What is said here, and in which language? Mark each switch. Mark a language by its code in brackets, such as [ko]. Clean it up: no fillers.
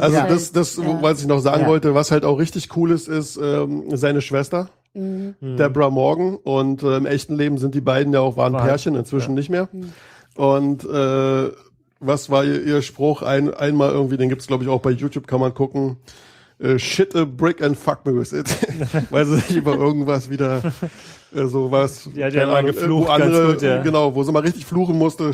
[de] Also ja, was ich noch sagen wollte, was halt auch richtig cool ist, ist seine Schwester, Deborah Morgan. Und im echten Leben sind die beiden ja auch, waren Pärchen, inzwischen nicht mehr. Und was war ihr Spruch? Einmal irgendwie, den gibt es glaube ich auch bei YouTube, kann man gucken. [en] Shit a brick and fuck me with it. [de] Weil sie sich über irgendwas wieder sowas. Ja, die haben geflucht, andere, ganz gut, ja. Genau, wo sie mal richtig fluchen musste.